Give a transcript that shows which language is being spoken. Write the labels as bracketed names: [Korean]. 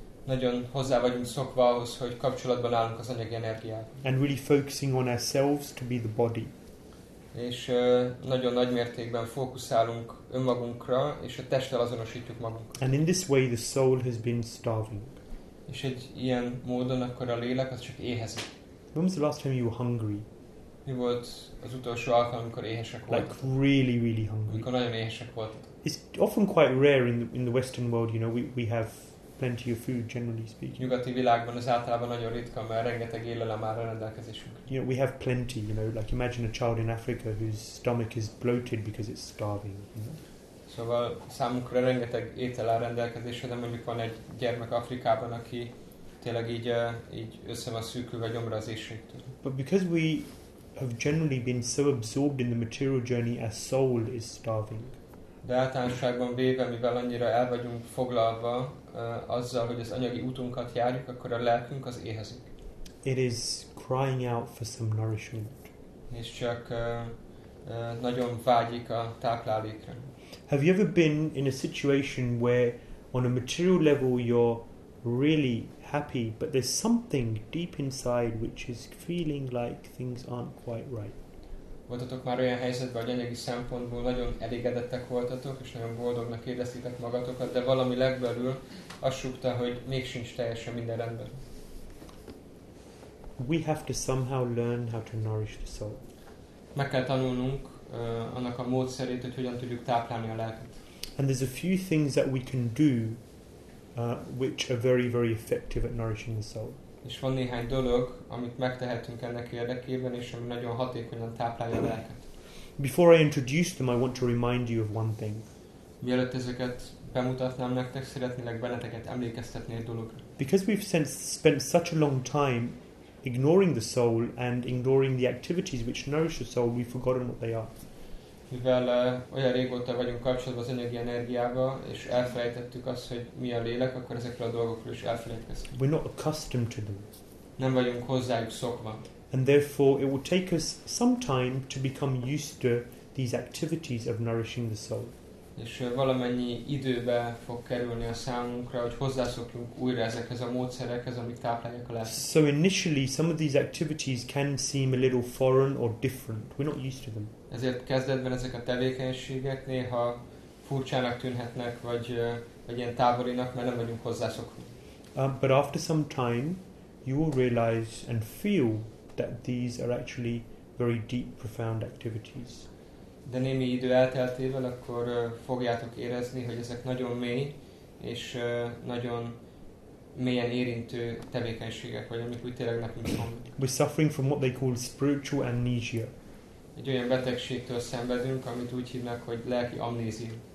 [Hungarian] Nagyon hozzá vagyunk szokva ahhoz, hogy kapcsolatban állunk az anyagi energiával. [English] And really focusing on ourselves to be the body. [Hungarian] És nagyon nagy mértékben fókuszálunk önmagunkra, és a testtel azonosítjuk magunkat. [English] And in this way the soul has been starving. [Hungarian] És egy ilyen módon akkor a lélek az csak éhezik. [English] When was the last time you were hungry? [Hungarian] Mi volt az utolsó alkalom, amikor éhesek voltatok? [English] Like really, really hungry. [Hungarian] Amikor nagyon éhesek voltatok. [English] it's often quite rare in the Western world. You know, we have plenty of food, generally speaking. [Hungarian] Nyugati világban ez általában nagyon ritka, mert rengeteg élelem áll a rendelkezésünk. [English] You know, we have plenty. You know, like imagine a child in Africa whose stomach is bloated because it's starving. You know? [Hungarian] Szóval számunkra rengeteg étel áll rendelkezésre, de mondjuk van egy gyermek Afrikában, aki tényleg így össze van szűkülve gyomrazésétől. [English] But because we have generally been so absorbed in the material journey, our soul is starving. [Hungarian] De általánosságban véve, mivel annyira el vagyunk foglalva azzal, hogy az anyagi útunkat járjuk, akkor a lelkünk az éhezik. [English] It is crying out for some nourishment. [Hungarian] És csak nagyon vágyik a táplálékra. [English] Have you ever been in a situation where on a material level you're really happy, but there's something deep inside which is feeling like things aren't quite right? [Hungarian] Voltatok már olyan helyzetben, hogy anyagi szempontból nagyon elégedettek voltatok, és nagyon boldognak éreztétek magatokat, de valami legbelül azt súgta, hogy még sincs teljesen minden rendben. [English] We have to somehow learn how to nourish the soul. [Hungarian] Meg kell tanulnunk annak a módszerét, hogy hogyan tudjuk táplálni a lelket. [English] And there's a few things that we can do which are very, very effective at nourishing the soul. [Hungarian] És van néhány dolog, amit megtehetünk ennek érdekében, és ami nagyon hatékonyan táplálja a lelket. [English] Before I introduce them, I want to remind you of one thing. [Hungarian] Mielőtt ezeket bemutatnám nektek, szeretnélek benneteket emlékeztetni egy dologra. [English] Because we've spent such a long time ignoring the soul and ignoring the activities which nourish the soul, we've forgotten what they are. [Hungarian] Mivel olyan régóta vagyunk kapcsolatban az anyagi energiával, és elfelejtettük azt, hogy mi a lélek, akkor ezekről a dolgokról is elfelejtkeztünk. [English] We're not accustomed to them. [Hungarian] Nem vagyunk hozzájuk szokva. [English] And therefore it will take us some time to become used to these activities of nourishing the soul. [Hungarian] És valamennyi időbe fog kerülni a számunkra, hogy hozzászokjunk újra ezekhez a módszerekhez, amik táplálják a lelket. [English] So initially some of these activities can seem a little foreign or different. We're not used to them. [Hungarian] Ezért kezdetben ezek a tevékenységek néha furcsának tűnhetnek, vagy ilyen távolinak, mert nem vagyunk hozzászokva. [English] But after some time you will realize and feel that these are actually very deep, profound activities. [Hungarian] De némi idő elteltével akkor fogjátok érezni, hogy ezek nagyon mély és nagyon mélyen érintő tevékenységek, vagy amik úgy tényleg nekünk van. [English] We're suffering from what they call spiritual amnesia. [Hungarian] Egy olyan betegségtől szenvedünk, amit úgy hívnak, hogy lelki amnézia.